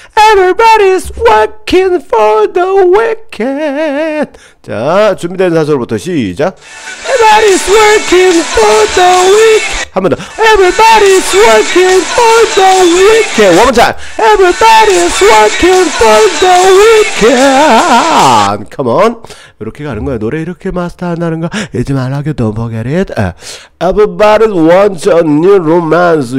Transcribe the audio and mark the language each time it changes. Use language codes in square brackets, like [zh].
[en] Everybody's working for the weekend. [ko] 자, 준비된 사설부터 시작. [en] Everybody's working for the weekend. [ko] 한 번 더. [en] Everybody's working for the weekend. One more time. Everybody's working for the weekend. Come on. [ko] 이렇게 가는 거야. 노래 이렇게 마스터한다는 거 잊지 말라고. [en] Don't forget it. Everybody wants a new romance.